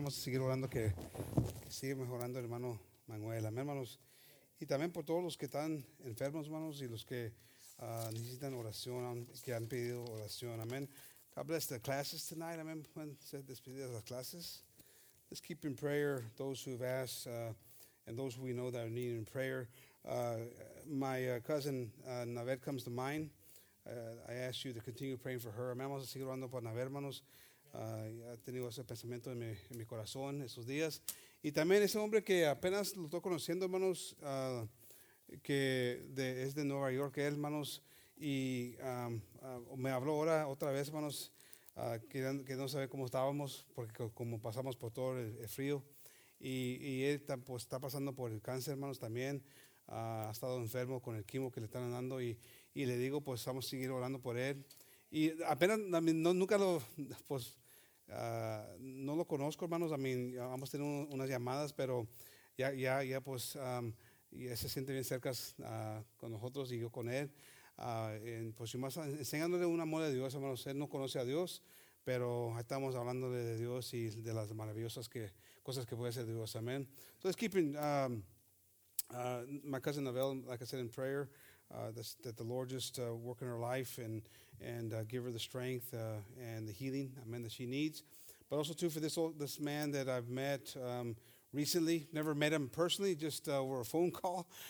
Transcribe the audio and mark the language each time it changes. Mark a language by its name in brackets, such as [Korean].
[Spanish] Vamos a seguir orando que sigue mejorando el hermano Manuel. Amén, hermanos. Y también por todos los que están enfermos, hermanos, y los que necesitan oración, que han pedido oración. Amén. [English] God bless the classes tonight. [Spanish] Amén. Pueden ser despedidas las clases. [English] Let's keep in prayer those who have asked and those who we know that are needing prayer. My cousin Naved comes to mind. I ask you to continue praying for her. [Spanish] Amén. Vamos a seguir orando por Naved, hermanos. Ha tenido ese pensamiento en mi corazón esos días. Y también ese hombre que apenas lo estoy conociendo, hermanos, que de, es de Nueva York, él, hermanos, y me habló ahora otra vez, hermanos, que no sabe cómo estábamos, porque como pasamos por todo el frío. Y él pues, está pasando por el cáncer, hermanos, también. Ha estado enfermo con el quimo que le están dando. Y le digo, pues vamos a seguir orando por él. Y apenas, no, nunca lo, pues, no lo conozco, hermanos. [English] I mean, [Spanish] vamos a tener unas llamadas, pero ya pues, ya se siente bien cerca con nosotros y yo con él. Pues, más, enseñándole un amor de Dios, hermanos. Él no conoce a Dios, pero estamos hablándole de Dios y de las maravillosas que, cosas que puede hacer Dios. [English] Amén. So, let's keep in, my cousin Abel, like I said, in prayer. That the Lord just work in her life and give her the strength and the healing, amen, that she needs. But also, too, for this man that I've met recently, never met him personally, just over a phone call.